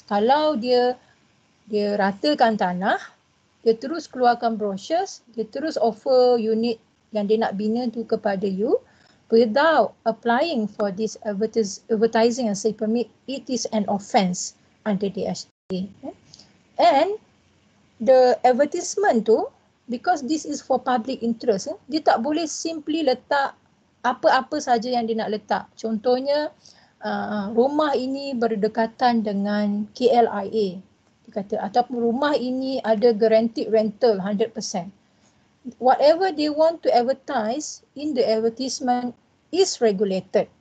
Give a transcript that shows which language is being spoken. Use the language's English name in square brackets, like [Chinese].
[Malay] Kalau dia dia ratakan tanah, dia terus keluarkan brochures, dia terus offer unit yang dia nak bina tu kepada you, [English] without applying for this advertising and sale permit, it is an offence under the DHD. [Malay] Eh? [English] And the advertisement tu, because this is for public interest, eh? [Malay] Dia tak boleh simply letak apa-apa saja yang dia nak letak. Contohnya, rumah ini berdekatan dengan KLIA. Dia kata, ataupun rumah ini ada guaranteed rental 100%. [English] Whatever they want to advertise in the advertisement is regulated.